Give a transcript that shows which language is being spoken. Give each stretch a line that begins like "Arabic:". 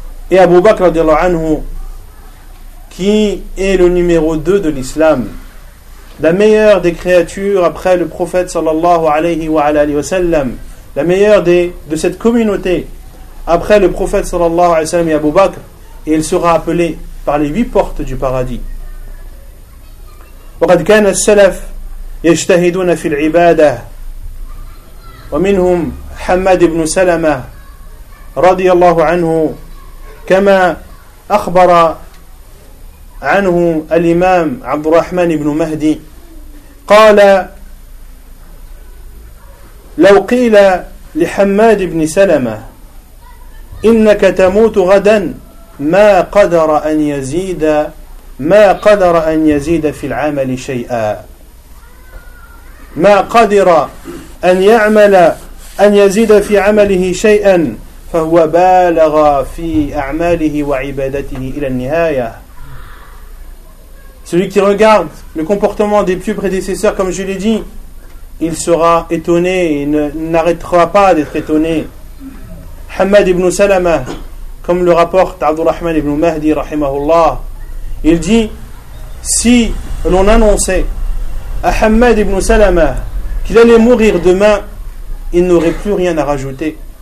French: Et Abu Bakr radiallahu anhu, qui est le numéro 2 de l'islam, la meilleure des créatures après le prophète sallallahu alayhi wa alayhi wa sallam, la meilleure de cette communauté après le prophète sallallahu alayhi wa sallam et Abu Bakr, et il sera appelé par les huit portes du paradis.
Arabic: وقد كان السلف يجتهدون في العبادة ومنهم حماد بن سلمة رضي الله عنه كما أخبر عنه الإمام عبد الرحمن بن مهدي قال لو قيل لحماد بن سلمة إنك تموت غدا ما قدر أن يزيد ما قدر أن يزيد في العمل شيئا ما قدر أن يعمل أن يزيد في عمله شيئا فهو بالغ في أعماله وعبادته إلى النهاية.
French: Celui qui regarde le comportement des pieux prédécesseurs, comme je l'ai dit, il sera étonné et n'arrêtera pas d'être étonné. Hamad ibn Salama, comme le rapporte Abdurrahman ibn Mahdi rahimahullah, il dit: si l'on annonçait à Hamad ibn Salama qu'il allait mourir demain, il n'aurait plus rien à rajouter.